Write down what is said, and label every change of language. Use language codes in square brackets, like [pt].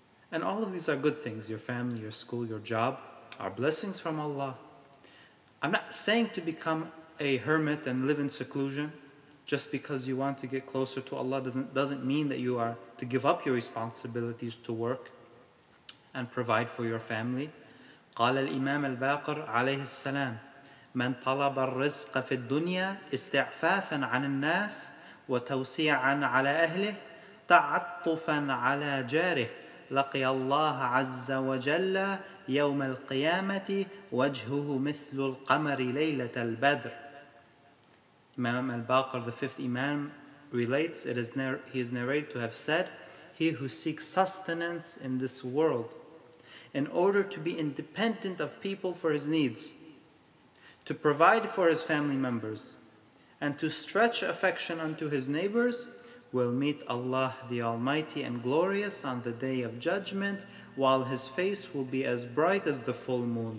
[en] And all of these are good things, your family, your school, your job, are blessings from Allah. I'm not saying to become a hermit and live in seclusion. Just because you want to get closer to Allah doesn't mean that you are to give up your responsibilities to work and provide for your family. [ar] قال الإمام الباقر عليه السلام من طلب الرزق في الدنيا استعفافا عن الناس وتوسيعا على أهله تعطفا على جاره لقي الله عز وجل يوم القيامة وجهه مثل القمر ليلة البدر. [en] Imam al-Baqir, the fifth Imam, relates, he is narrated to have said, he who seeks sustenance in this world in order to be independent of people for his needs, to provide for his family members, and to stretch affection unto his neighbors, will meet Allah the Almighty and Glorious on the Day of Judgment, while his face will be as bright as the full moon.